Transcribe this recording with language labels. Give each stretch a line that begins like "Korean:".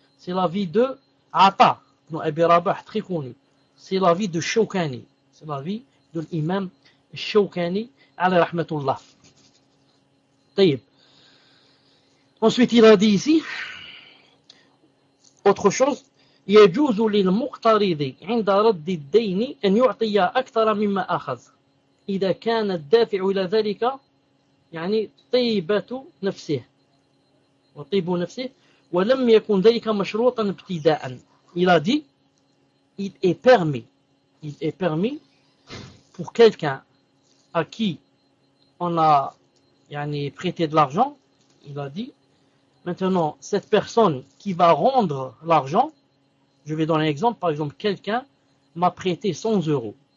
French: C'est l'avis de Ata, dont Abi Rabah, très connu. C'est l'avis de Shawkani. C'est l'avis de l'imam Shawkani, alayhi rahmatullah. Ensuite, il a dit ici autre chose.
Arabic: يجوز للمقترض عند رد الدين أن يعطي أكثر مما أخذ إذا كان الدافع إلى ذلك يعني طيبة نفسه وطيب نفسه ولم يكن ذلك مشروطا ابتداء.
French: Il a dit, il est permis pour quelqu'un à qui on a prêté de l'argent, il a dit, maintenant, cette personne qui va rendre l'argent, je vais donner un exemple, par exemple, quelqu'un m'a prêté 100 euros.